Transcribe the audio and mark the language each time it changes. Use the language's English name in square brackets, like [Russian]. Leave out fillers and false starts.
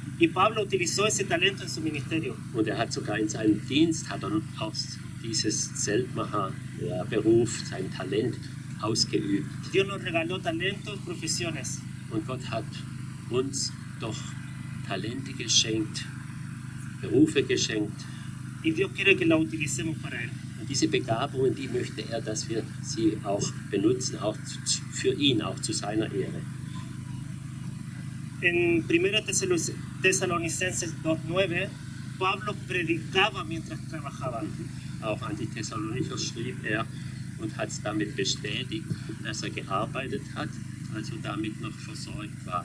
[Spanish] Y Pablo utilizó ese talento en su ministerio. [German] Und er hat sogar in seinem Dienst hat er auch dieses Zeltmacher-Beruf, sein Talent ausgeübt. [Spanish] Dios nos regaló talentos, profesiones. [German] Und Gott hat uns doch Talente geschenkt, Berufe geschenkt. [Spanish] Y Dios quiere que la utilicemos para él. [German] Und diese Begabungen, die möchte er, dass wir sie auch benutzen, auch für ihn, auch zu seiner Ehre. [Spanish] En 1 Tesalonicenses 2:9, Pablo predicaba mientras trabajaba. [German] Auch an die Thessalonicher schrieb er und hat es damit bestätigt, dass er gearbeitet hat, also damit noch versorgt war.